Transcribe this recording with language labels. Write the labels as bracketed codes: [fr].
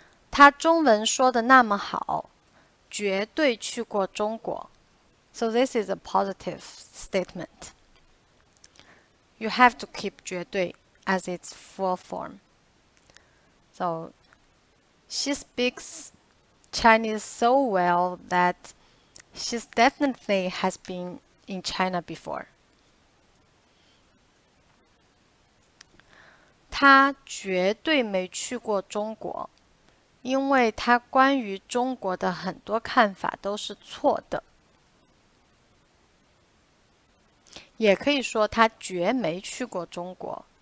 [zh] 他中文说的那么好，绝对去过中国。 [en] So this is a positive statement. You have to keep 绝对 as its full form. So she speaks Chinese so well that she definitely has been in China before. [zh] 她绝对没去过中国，因为她关于中国的很多看法都是错的。也可以说她绝没去过中国。